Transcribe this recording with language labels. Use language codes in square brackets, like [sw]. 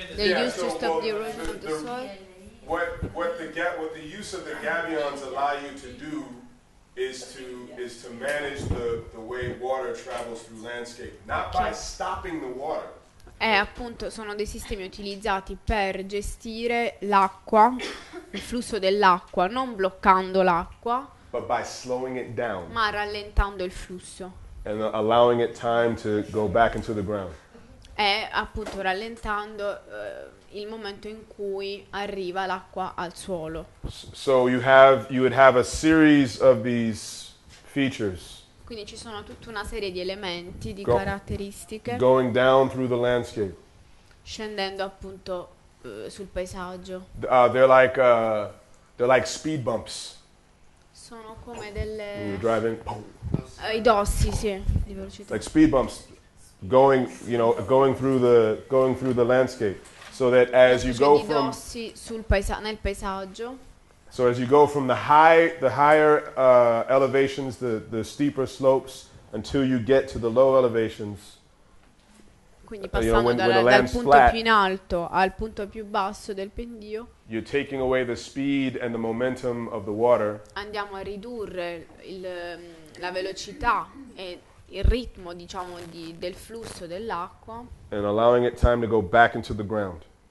[en] They used to stop the erosion of the soil. What the use of the gabions allow you to do is to manage the way water travels through landscape, not by stopping the water. [it] Appunto, sono dei sistemi utilizzati per gestire l'acqua, il flusso dell'acqua, non bloccando l'acqua, [en] but by slowing it down, [it] ma rallentando il flusso, [en] and allowing it time to go back into the ground. [it] È appunto rallentando il momento in cui arriva l'acqua al suolo. [en] So you would have a series of these features. [it] Quindi ci sono tutta una serie di elementi, di caratteristiche. [en] Going down through the landscape. [it] Scendendo appunto sul paesaggio. [en] They're like speed bumps. [it] Sono come delle. [en] You're driving. [it] I dossi, sì, di velocità. [en] Like speed bumps, going through the landscape. So that as you go from [it] nel paesaggio. [en] So as you go from the higher elevations, the steeper slopes, until you get to the low elevations. [it] Quindi passando dal punto flat, più in alto al punto più basso del pendio. [en] You're taking away the speed and the momentum of the water. [it] Andiamo a ridurre la velocità e il ritmo, diciamo, del flusso dell'acqua. [en] And allowing it time to go back into the ground.